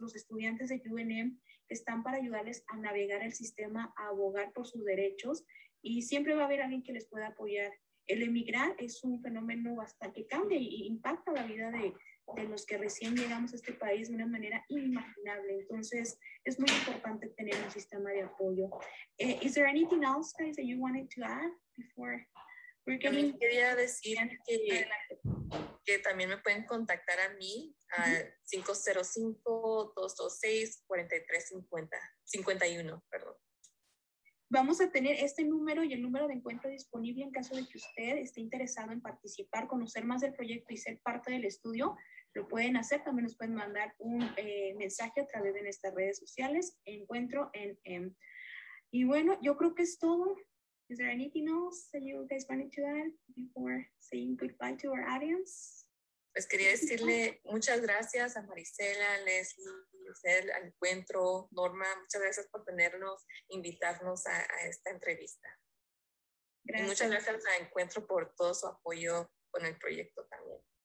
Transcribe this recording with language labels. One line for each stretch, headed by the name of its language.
Spanish: Los estudiantes de UNM están para ayudarles a navegar el sistema, a abogar por sus derechos y siempre va a haber alguien que les pueda apoyar. El emigrar es un fenómeno bastante que cambia e impacta la vida de los que recién llegamos a este país de una manera inimaginable. Entonces, es muy importante tener un sistema de apoyo.
English: Is there anything else, guys, that you wanted to add?
Spanish: También quería decir que también me pueden contactar a mí a 505-226-4351. Vamos a tener este número y el número de Encuentro disponible en caso de que usted esté interesado en participar, conocer más del proyecto y ser parte del estudio. Lo pueden hacer, también nos pueden mandar un mensaje a través de nuestras redes sociales, Encuentro en M. Y bueno, yo creo que es todo.
English: Is there anything else that you guys wanted to add before saying goodbye to our audience?
Spanish: Pues quería decirle muchas gracias a Marisela, Leslie, Lucel, al Encuentro, Norma. Muchas gracias por tenernos, invitarnos a esta entrevista. Gracias. Y muchas gracias al Encuentro por todo su apoyo con el proyecto también.